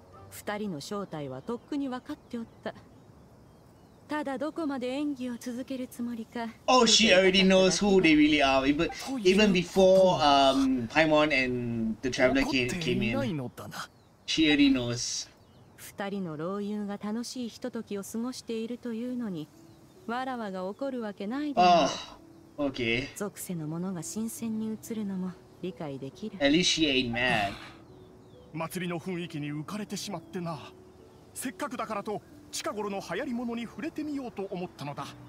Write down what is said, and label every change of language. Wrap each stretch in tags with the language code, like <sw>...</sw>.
<ja>二人の正体はとっくに分かっておった。ただどこまで演技を続けるつもりか。</ja> <en>Oh, she already knows who they really are. Even before Paimon and the Traveler came in, she already knows.</en> <ja>二人の老友が楽しいひとときを過ごしているというのに、わらわが怒るわけないで。</ja> <en>Oh, okay.</en> <ja>属性のものが新鮮に映るのも理解できる。</ja> <en>At least she ain't mad.</en> <ja>祭りの雰囲気に浮かれてしまってな。せっかくだからと近頃の流行り物に触れてみようと思ったのだ。</ja>